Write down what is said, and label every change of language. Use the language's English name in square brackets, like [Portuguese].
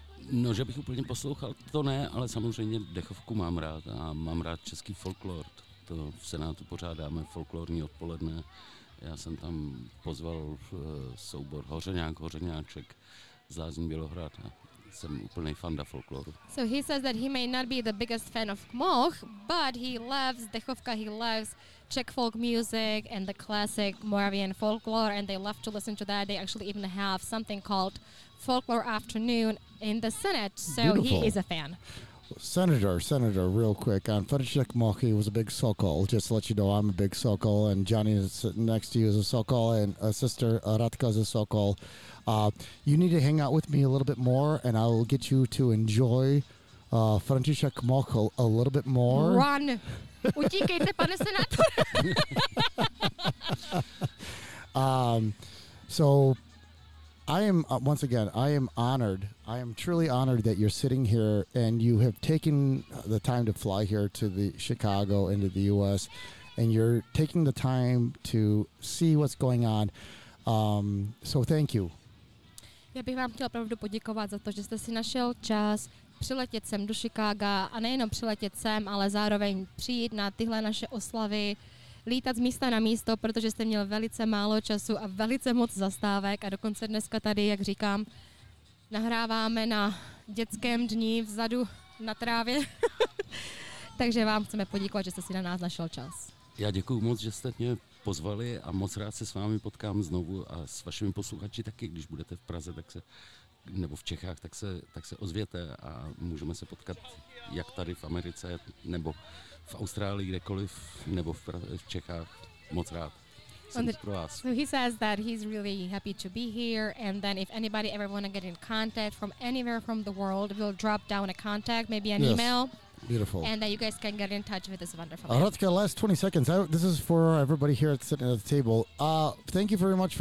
[Czech] No, že bych úplně poslouchal, to ne, ale samozřejmě dechovku mám rád a mám rád český folklor. to v Senátu pořádáme folklorní odpoledne. Já jsem tam pozval soubor Hořeňák, Hořeňáček z Lázní Bělohrad. Jsem úplný fanda folkloru. [English] So he says that he may not be the biggest fan of Kmoch, but he loves Dechovka, he loves Czech folk music and the classic Moravian folklore, and they love to listen to that. They actually even have something called Folklore Afternoon in the Senate, so beautiful. He is a fan. Senator, real quick, on Fetishek Mochi was a big sokol. Just to let you know, I'm a big sokol, and Johnny is sitting next to you is a sokol, and a sister, Ratka, is a sokol. You need to hang out with me a little bit more, and I will get you to enjoy František Mochl a little bit more. Run! [Czech] Utíkejte, pane senátor! [English] So, I am, once again, I am honored. I am truly honored that you're sitting here, and you have taken the time to fly here to the Chicago, into the U.S., and you're taking the time to see what's going on. So, thank you. [Czech] Já bych vám chtěla opravdu poděkovat za to, že jste si našel čas přiletět sem do Chicaga a nejenom přiletět sem, ale zároveň přijít na tyhle naše oslavy, lítat z místa na místo, protože jste měl velice málo času a velice moc zastávek a dokonce dneska tady, jak říkám, nahráváme na dětském dní vzadu na trávě. Takže vám chceme poděkovat, že jste si na nás našel čas. Já děkuju moc, že jste mě pozvali a moc rád se s vámi potkám znovu a s vašimi posluchači taky, když budete v Praze, tak se, nebo v Čechách, tak se ozvěte a můžeme se potkat jak tady v Americe, nebo v Austrálii, kdekoliv, nebo v Čechách. Moc rád. [English] So he says that he's really happy to be here, and then if anybody ever want to get in contact from anywhere from the world, we'll drop down a contact, maybe an yes. email. Beautiful. And that you guys can get in touch with this wonderful man. Ratka, last 20 seconds. This is for everybody here sitting at the table. Thank you very much.